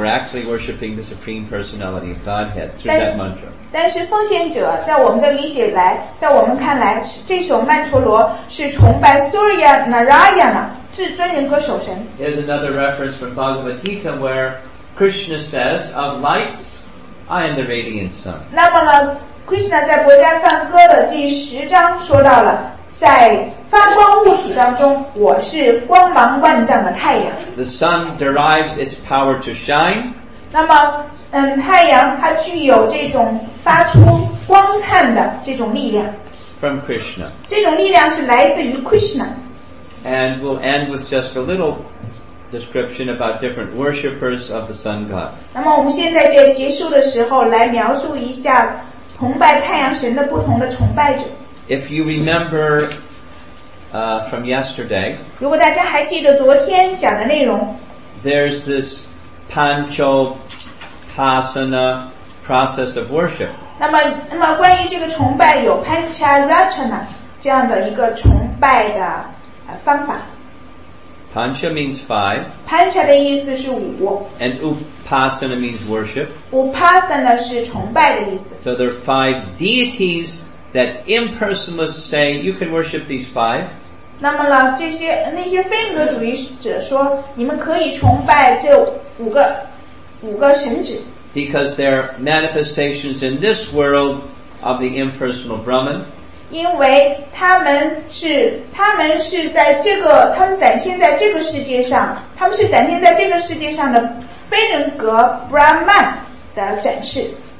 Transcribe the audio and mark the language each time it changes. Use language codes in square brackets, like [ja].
[en] We're actually worshipping the Supreme Personality of Godhead through that mantra. [zh] 但是奉献者在我们的理解来，在我们看来，这首曼陀罗是崇拜 Surya Narayana。 [en] Here's another reference from Bhagavad Gita where Krishna says, of lights, I am the radiant sun. [zh] 那么呢 ,Krishna 在国家梵歌的第十章说到了在发光物体当中我是光芒万丈的太阳。 [en] The sun derives its power to shine. [zh] 那么太阳它具有这种发出光灿的这种力量。 [en] From Krishna. [zh] 这种力量是来自于 Krishna. [en] And we'll end with just a little description about different worshippers of the sun god. [zh] 那么我们现在在结束的时候来描述一下崇拜太阳神的不同的崇拜者。 [en] If you remember from yesterday, [zh] 如果大家还记得昨天讲的内容， [en] there's this pancho pasana process of worship. [zh] 那么关于这个崇拜有 pancha rachana 这样的一个崇拜的方法。 [en] Pancha means five. [zh] Pancha 的意思是五。 [en] And Upasana means worship. [zh] Upasana 是崇拜的意思。 [en] So there are five deities that impersonalists say you can worship these five. [zh] 那么呢，那些非人格主义者说，你们可以崇拜这五个神祇。 [en] Because they're manifestations in this world of the impersonal Brahman. [zh] 因为他们是在这个他们展现在这个世界上他们是展现在这个世界上的非人格 Brahman 的展示